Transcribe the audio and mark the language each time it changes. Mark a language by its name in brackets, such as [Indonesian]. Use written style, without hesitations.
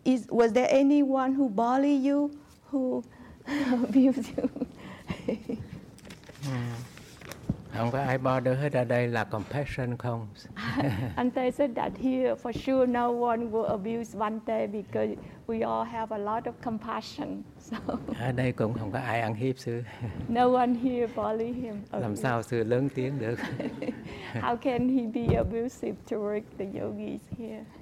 [English] Was there anyone who bully you, who abused you? [Vietnamese] Không có ai bother hết ở đây là compassion không? [English] Bhante said that here for sure no one will abuse Bhante because we all have a lot of compassion. So. [Vietnamese] Ở đây cũng không có ai ăn hiếp sư. [English] No one here bully him. [Vietnamese] Làm sao sư lớn tiếng được? [English] How can he be abusive toward the yogis here?